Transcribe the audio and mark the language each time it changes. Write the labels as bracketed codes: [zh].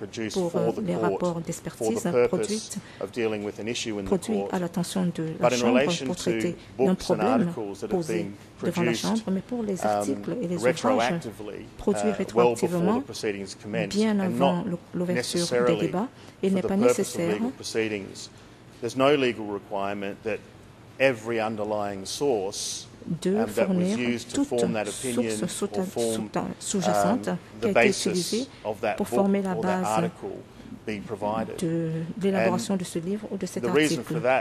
[fr] pour les rapports d'expertise produits à l'attention de la Chambre pour traiter d'un problème posé devant la Chambre, mais pour les articles et les ouvrages produits rétroactivement bien avant l'ouverture des débats, il n'est pas nécessaire. [en] There's no legal requirement that every underlying source [fr] de fournir toute source sous-jacente qui a été utilisée pour former la base de l'élaboration de ce livre ou de cet article.